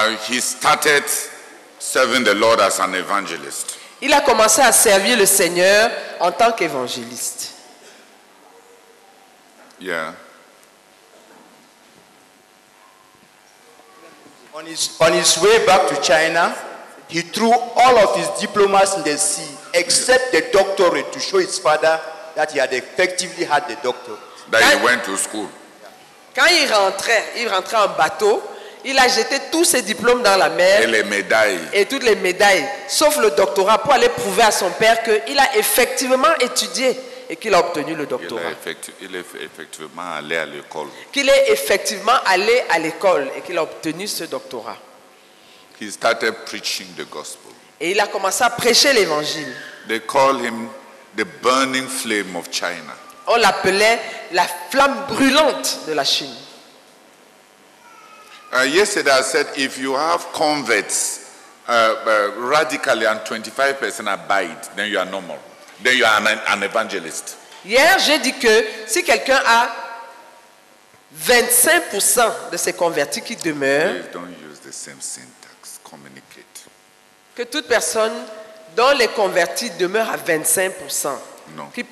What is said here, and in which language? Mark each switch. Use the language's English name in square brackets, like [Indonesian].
[English] He started serving the Lord as an evangelist. [French] Il a commencé à servir le Seigneur en tant qu'évangéliste. [English] Yeah. On his way back to China, he threw all of his diplomas in the sea except the doctorate to show his father that he had effectively had the doctorate. That he went to school. [French] Quand il rentrait en bateau, il a jeté tous ses diplômes dans la mer et toutes les médailles, sauf le doctorat, pour aller prouver à son père qu'il a effectivement étudié et qu'il a obtenu le doctorat. Il est effectivement allé à l'école. Qu'il est effectivement allé à l'école et qu'il a obtenu ce doctorat. [English] He started preaching the gospel. [French] Et il a commencé à prêcher l'évangile. [English] They call him the burning flame of China. [French] On l'appelait la flamme brûlante de la Chine. [English] Yesterday I said, if you have converts radically and 25% abide, then you are normal. Then you are an evangelist. [French] Hier, j'ai dit que si quelqu'un a 25% de ses convertis qui demeurent, [English] please don't use the same syntax. Communicate. [French] Que toute personne dont les convertis demeurent à 25%. Non.